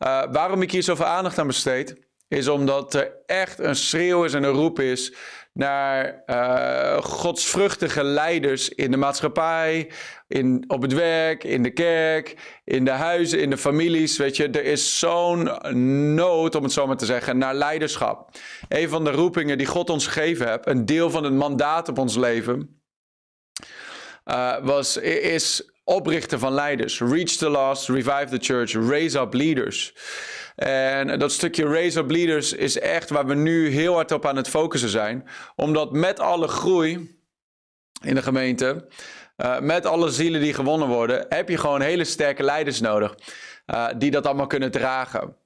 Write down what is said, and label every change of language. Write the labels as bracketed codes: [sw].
[nl] Waarom ik hier zoveel aandacht aan besteed, is omdat er echt een schreeuw is en een roep is naar godsvruchtige leiders in de maatschappij, op het werk, in de kerk, in de huizen, in de families. Weet je, er is zo'n nood, om het zo maar te zeggen, naar leiderschap. Een van de roepingen die God ons gegeven heeft, een deel van het mandaat op ons leven, is oprichten van leiders. [en] Reach the lost, revive the church, raise up leaders. [nl] En dat stukje [en] raise up leaders [nl] is echt waar we nu heel hard op aan het focussen zijn. Omdat met alle groei in de gemeente, met alle zielen die gewonnen worden, heb je gewoon hele sterke leiders nodig die dat allemaal kunnen dragen.